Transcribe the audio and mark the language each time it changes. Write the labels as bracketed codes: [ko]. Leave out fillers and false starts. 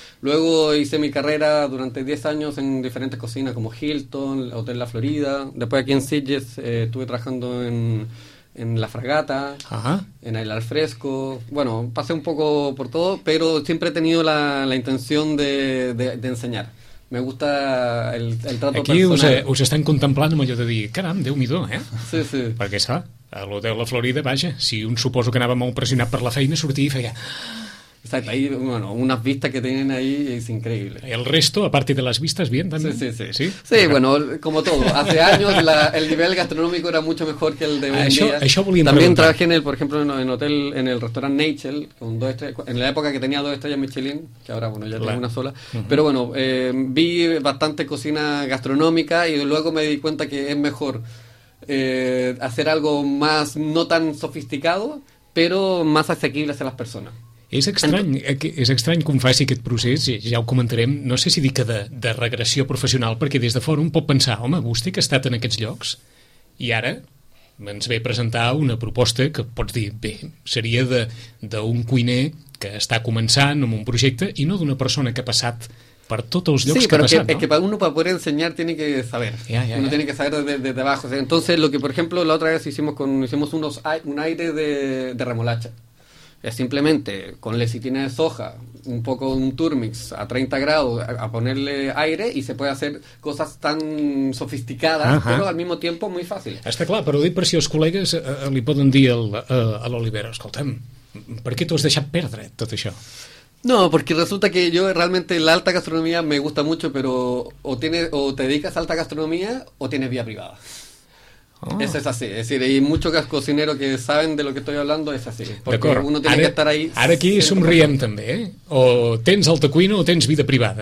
[es] Luego hice mi carrera durante 10 años en diferentes cocinas como Hilton, Hotel La Florida. Después aquí en Sitges estuve trabajando en La Fragata, en El Alfresco. Bueno, pasé un poco por todo, pero siempre he tenido la intención de enseñar. Me gusta el trato aquí personal. [ca] Aquí us estan contemplant amb allò de dir, caram, Déu-m'hi-do, eh? Sí, sí. Perquè s'ha... A l'hotel La Florida, vaja, si un suposo que anava molt pressionat per la feina, sortia i feia... [es] Exacte, ahí, bueno, unas vistas que tienen ahí es increíble. El resto, aparte de las vistas, bien, también. Sí. Sí, sí, bueno, como todo. Hace años el nivel gastronómico era mucho mejor que el de hoy en día. [ca] Això volíem [es] también [ca] preguntar. [es] Trabajé en el restaurant Nature, con 2 estrellas, en la época que tenía 2 estrellas Michelin, que ahora, bueno, ya tengo una sola. Uh-huh. Pero bueno, vi bastante cocina gastronómica y luego me di cuenta que es mejor hacer algo más, no tan sofisticado, pero más asequible a las personas. [ca] És estrany, que un faci aquest procés, ja ho comentarem, no sé si dic que de regressió professional, perquè des de fora un pot pensar, home, vostè que ha estat en aquests llocs i ara ens ve a presentar una proposta que pots dir, bé, seria d'un cuiner que està començant amb un projecte i no d'una persona que ha passat per tots els llocs que ha passat, no? Sí, però és que per uno, per poder ensenyar, [es] tiene que saber. Uno tiene que saber desde abajo. Entonces, lo que, por ejemplo, la otra vez hicimos un aire de remolacha. Es simplemente con lecitina de soja, un poco de un turmix a 30 grados, a ponerle aire, y se puede hacer cosas tan sofisticadas, pero al mismo tiempo muy fáciles. Está claro, pero [ca] dir per si els col·legues li poden dir a l'Olivera, escolta'm, ¿per qué t'ho has deixat perdre, tot això? [es] No, porque resulta que yo realmente la alta gastronomía me gusta mucho, pero o te dedicas a alta gastronomía o tienes vía privada. Oh. Eso es así, es decir, hay muchos cocineros que saben de lo que estoy hablando, es así. Porque uno tiene que estar ahí. Ahora aquí [ca] somriem també, ¿eh? O tens alta cuina o tens vida privada.